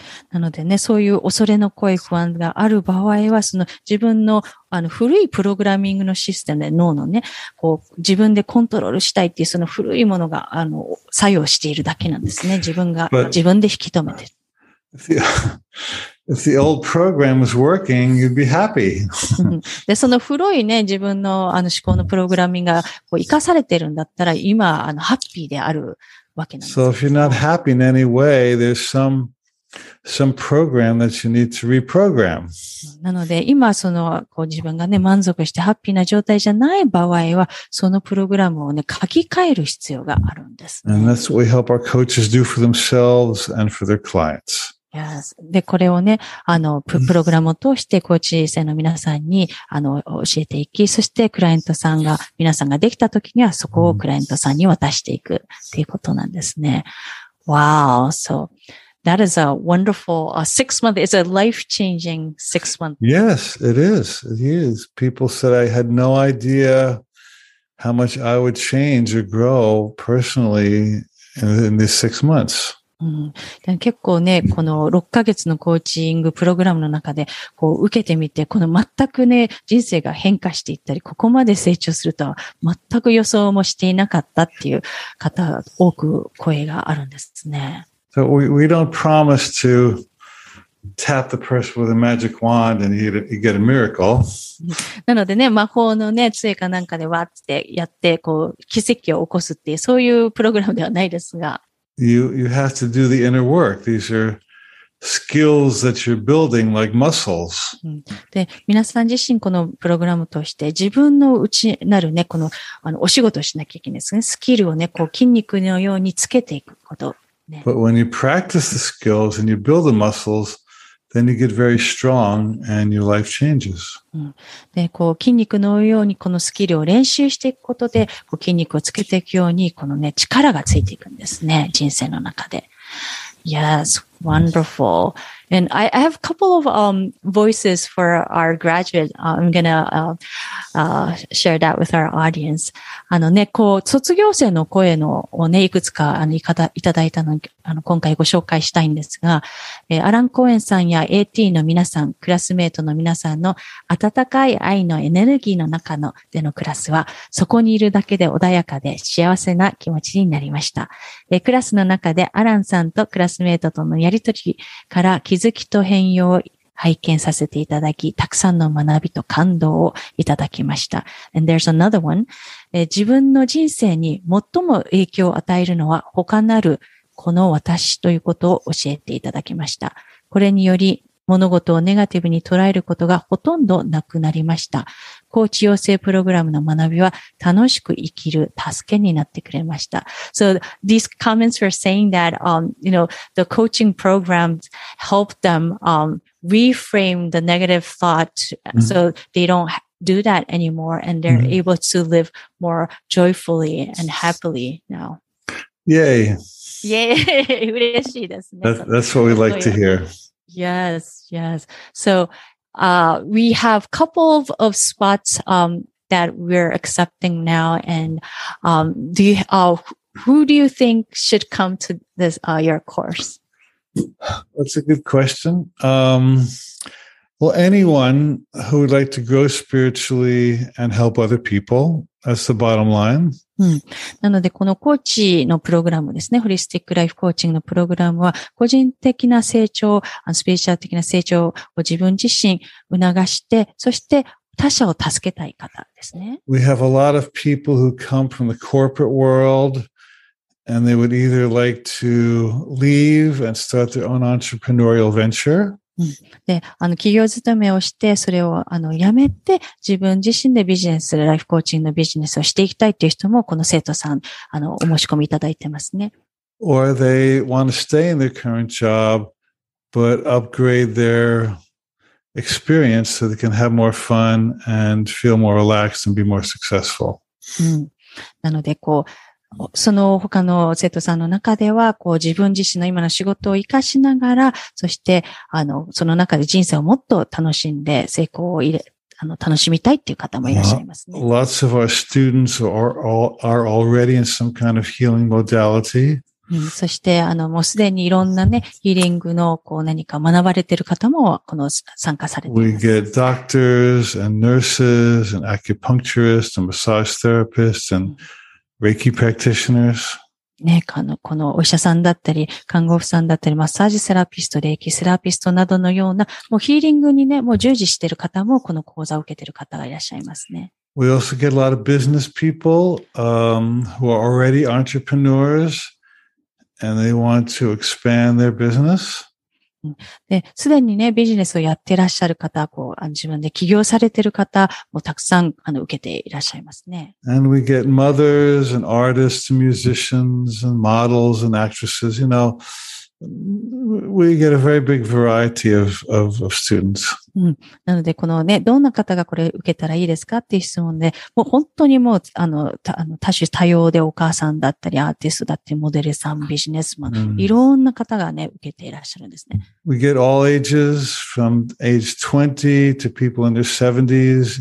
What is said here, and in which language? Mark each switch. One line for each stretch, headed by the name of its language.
Japanese: なのでね、そういう恐れの声、不安がある場合は、その自分の、古いプログラミングのシステムで脳のね、こう、自分でコントロールしたいっていうその古いものが、作用しているだけなんですね。自分が、自分で引き止めてる。
English: If the old program was working, you'd be happy.
Japanese: で、その古いね、自分の、思考のプログラミングが、こう、生かされてるんだったら、今、ハッピーである。
English: So if you're not happy in any way, there's some program that you need to reprogram.
Japanese: なので今そのこう自分がね満足してハッピーな状態じゃない場合はそのプログラムをね書き換える必要があるんです、ね。
English: And that's what we help our coaches do for themselves and for their clients. Yes.
Japanese: でこれをねプログラムを通してコーチ生の皆さんに教えていき、そしてクライアントさんが皆さんができた時にはそこをクライアントさんに渡していくっていうことなんですね。
English: Wow. So. That is a wonderful six-month. It's a life-changing six-month. Yes, it is. It is. People said I had no idea how much I would change or grow personally in these 6 months.
Japanese: うん、結構ね、この6ヶ月のコーチングプログラムの中で、こう受けてみて、この全くね、人生が変化していったり、ここまで成長するとは全く予想もしていなかったっていう方、多く声があるんですね。
English: So we don't promise to tap the person with a magic wand and you get a miracle.
Japanese: なのでね、魔法のね、杖かなんかでわってやって、こう、奇跡を起こすっていう、そういうプログラムではないですが。
English: You have to do the inner work. These are skills that you're building like muscles.
Japanese: で、皆さん自身このプログラムとして、自分の内なるね、この、お仕事をしなきゃいけないですね。スキルをね、こう、筋肉のようにつけていくこと。
English: But when you practice the skills and you build the muscles, then you get very strong and your life changes.
Japanese: で、こう筋肉のようにこのスキルを練習していくことで、こう筋肉をつけていくようにこのね力がついていくんですね、人生の中で。
English: Yes, wonderful. And I have a couple of voices for our graduate. I'm gonna share that with our audience.
Japanese: ね、こう卒業生の声のをねいくつかいただいたの今回ご紹介したいんですが、アラン・コーエンさんや AT の皆さん、クラスメートの皆さんの温かい愛のエネルギーの中のでのクラスは、そこにいるだけで穏やかで幸せな気持ちになりました。クラスの中でアランさんとクラスメートとのやりとりから気づきと変容を拝見させていただき、たくさんの学びと感動をいただきました。
English: And there's another one.
Japanese: 自分の人生に最も影響を与えるのは他なるこの私ということを教えていただきました。これにより物事をネガティブに捉えることがほとんどなくなりました。コーチ養成プログラムの学びは楽しく生きる助けになってくれました。
English: So these comments were saying that, you know, the coaching programs help them, reframe the negative thought so they don't do that anymore and they're able to live more joyfully and happily now. Yay! Yay!
Japanese: 嬉しいですね。
English: That's what we like to hear. Yes, yes. So,we have couple of spots, that we're accepting now. And, who do you think should come to this, your course? That's a good question. Well, anyone who would like to grow spiritually and help other people, that's the bottom line.
Japanese: うん、なので、このコーチのプログラムですね、ホリスティックライフコーチングのプログラムは、個人的な成長、スピリチュアル的な成長を自分自身促して、そして他者を助けたい方ですね。
English: We have a lot of people who come from the corporate world, and they would either like to leave and start their own entrepreneurial venture.
Japanese: で、企業勤めをして、それを、辞めて、自分自身でビジネス、ライフコーチングのビジネスをしていきたいという人も、この生徒さん、お申し込みいただいてますね。
English: Or they want to stay in their current job, but upgrade their experience so they can have more fun and feel more relaxed and be more successful.
Japanese: うん。なので、こう、その他の生徒さんの中では、こう自分自身の今の仕事を活かしながら、そして、その中で人生をもっと楽しんで、成功を楽しみたいっていう方もいらっしゃいますね。
English: Lots of our students are already in some kind of healing modality.、
Japanese: うん、そして、もうすでにいろんなね、ヒーリングの、こう何か学ばれてる方も、この参加されています。
English: We get doctors and nurses and acupuncturists and massage therapists and、うんReiki practitioners.
Japanese: ね、このお医者さんだったり、看護婦さんだったり、マッサージセラピスト、レイキセラピストなどのような、もうヒーリングにね、もう従事している方も、この講座を受けている方がいらっしゃいますね。
English: We also get a lot of business people, who are already entrepreneurs, and they want to expand their business.
Japanese: すでにね、ビジネスをやってらっしゃる方、こう、自分で起業されてる方もたくさん、受けていらっしゃいますね。
English: And we get mothers and artists and musicians and models and actresses, you know, we get a very big variety of students.
Japanese: うん。なので、このね、どんな方がこれ受けたらいいですかっていう質問で、もう本当にもう、多種多様でお母さんだったり、アーティストだって、モデルさん、ビジネスマン、いろんな方がね、受けていらっしゃるんですね。
English: We get all ages from age 20 to people in their 70s.